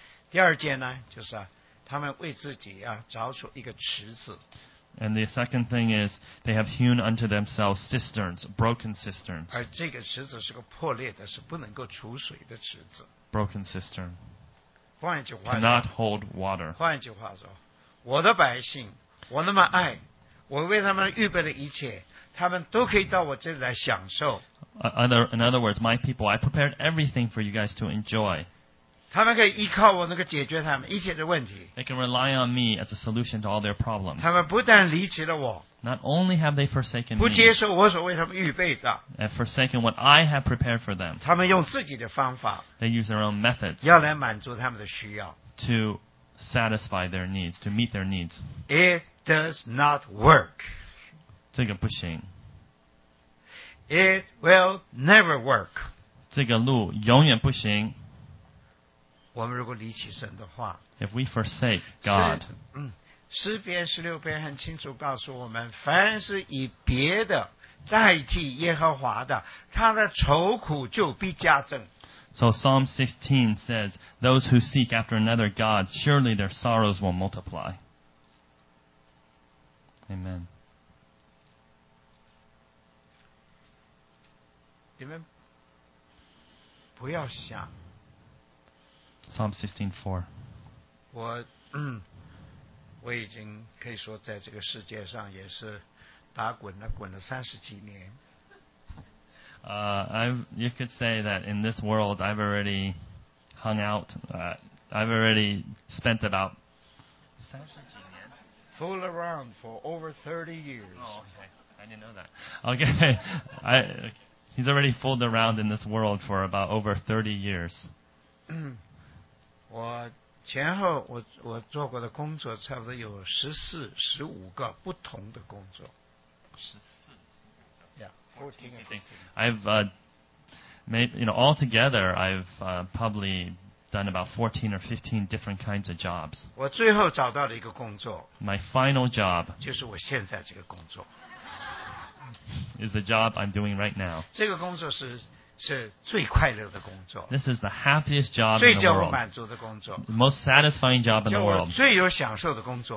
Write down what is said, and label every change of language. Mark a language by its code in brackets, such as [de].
[zh] 第二件呢，就是啊，他们为自己啊凿出一个池子。 [en] And the second thing is they have hewn unto themselves cisterns, broken cisterns. [zh] 而这个池子是个破裂的，是不能够储水的池子。 [en] Broken cistern. [zh] 换一句话 [en] cannot hold water. [zh] 换一句话说，我的百姓，我那么爱，我为他们预备的一切。他们都可以到我这里来享受。 [en] In other words, my people, I prepared everything for you guys to enjoy. [zh] 他们可以依靠我那个解决他们一切的问题。 [en] They can rely on me as a solution to all their problems. [zh] 他们不但离弃了我。 [en] Not only have they forsaken me. [zh] 不接受我所为他们预备的。 [en] And forsaken what I have prepared for them. [zh] 他们用自己的方法。 [en] They use their own methods. [zh] 要来满足他们的需要。 [en] To satisfy their needs, to meet their needs. It does not work. [zh] 这个不行。 [en] It will never work. [zh] 这个路永远不行。我们如果离弃神的话， [en] If we forsake God, [zh] 诗篇十六篇很清楚告诉我们，凡是以别的代替耶和华的，他的愁苦就必加增。 [en] So Psalm 16 says, those who seek after another God, surely their sorrows will multiply. Amen. [zh] 你们不要想。 [en] Psalm 16:4. [zh] 我已经可以说在这个世界上也是打滚了，滚了三十几年。 [en] You could say that in this world I've already hung out. I've already spent about fool around for over 30 years. Oh, okay. I didn't know that. Okay. He's already fooled around in this world for about over 30 years. [zh] 我前后我做过的工作差不多有14、15个不同的工作。 [en] I've probably done about 14 or 15 different kinds of jobs. [zh] 我最后找到了一个工作。 [en] My final job [zh] 就是我现在这个工作。 [en] Is the job I'm doing right now. [zh] 这个工作是最快乐的工作。 [en] This is the happiest job in the world. [zh] 最叫我满足的工作。 [en] The most satisfying job in the world. [zh] 叫我最有享受的工作。